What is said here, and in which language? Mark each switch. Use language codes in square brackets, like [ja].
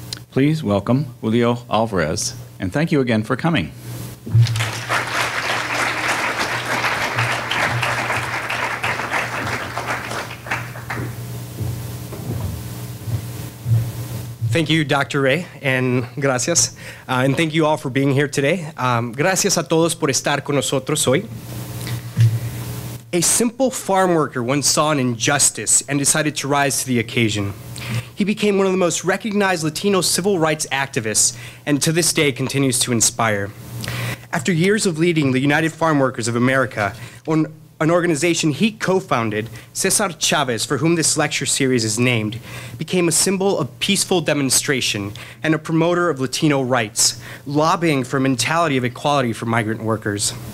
[en] Please welcome Julio Alvarez, and thank you again for coming. Thank you, Dr. Ray, and gracias. And thank you all for being here today. [es] Gracias a todos por estar con nosotros hoy. [en] A simple farm worker once saw an injustice and decided to rise to the occasion. He became one of the most recognized Latino civil rights activists and to this day continues to inspire. After years of leading the United Farm Workers of America, an organization he co-founded, Cesar Chavez, for whom this lecture series is named, became a symbol of peaceful demonstration and a promoter of Latino rights, lobbying for a mentality of equality for migrant workers.